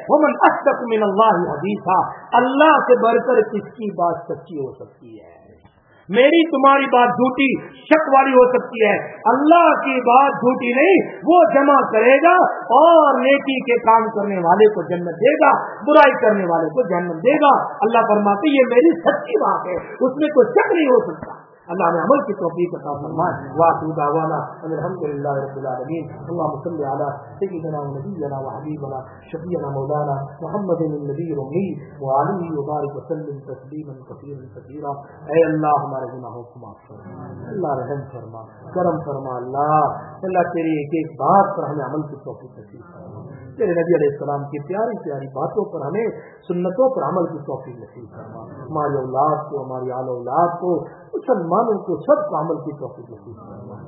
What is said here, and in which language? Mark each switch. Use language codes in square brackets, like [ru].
[ar] وَمَنْ أَصْدَقُ مِنَ اللَّهِ حَدِيثًا, [ur] اللہ سے بڑھ کر کس کی بات سچی ہو سکتی ہے؟ میری تمہاری بات جھوٹی شک والی ہو سکتی ہے, اللہ کی بات جھوٹی نہیں. وہ جمع کرے گا اور نیکی کے کام کرنے والے کو جنت دے گا, برائی کرنے والے کو جہنم دے گا. اللہ فرماتے یہ میری سچی بات ہے, اس میں کوئی شک نہیں ہو سکتا. اللہ نے عمل کی توفیق عطا فرمائے. [ar] واسو دعوانا الحمدللہ رب العالمین, اللهم صل على سيدنا ونبينا وحبيبنا شفيعنا مولانا محمد النبي الامي وعلى اله وبارك وسلم تسليما كثيرا كثيرا. [ur] اے اللہ ہمارے گناہوں کو معاف فرما, اللہ رحم فرما, کرم فرما. اللہ تیری ایک ایک بات پر ہمیں عمل کی توفیق نصیب فرما, تیرے نبی علیہ السلام کی پیاری پیاری باتوں پر ہمیں سنتوں پر عمل کی توفیق نصیب فرما. ہماری اولاد کو, ہماری آل اولاد کو, مسلمانوں کو, سب کو عمل کی توفیق نصیب فرما.